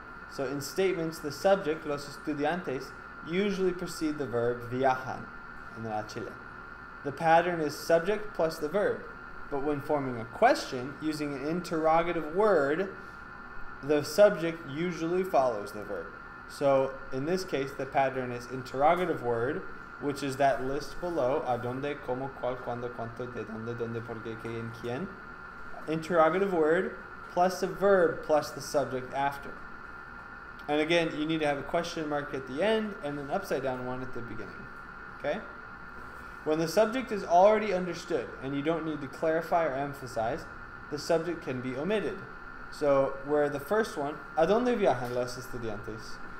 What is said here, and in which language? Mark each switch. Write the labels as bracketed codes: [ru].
[en] So in statements, the subject, los estudiantes, usually precede the verb viajan in the Chile. The pattern is subject plus the verb. But when forming a question using an interrogative word, the subject usually follows the verb. So in this case, the pattern is interrogative word, which is that list below. [es] ¿A dónde, cómo, cuál, cuándo, cuánto, de dónde, dónde, por qué, qué, en quién? [en] Interrogative word plus a verb plus the subject after. And again, you need to have a question mark at the end and an upside down one at the beginning. Okay? When the subject is already understood and you don't need to clarify or emphasize, the subject can be omitted. So where the first one, [es] ¿a dónde viajan los estudiantes?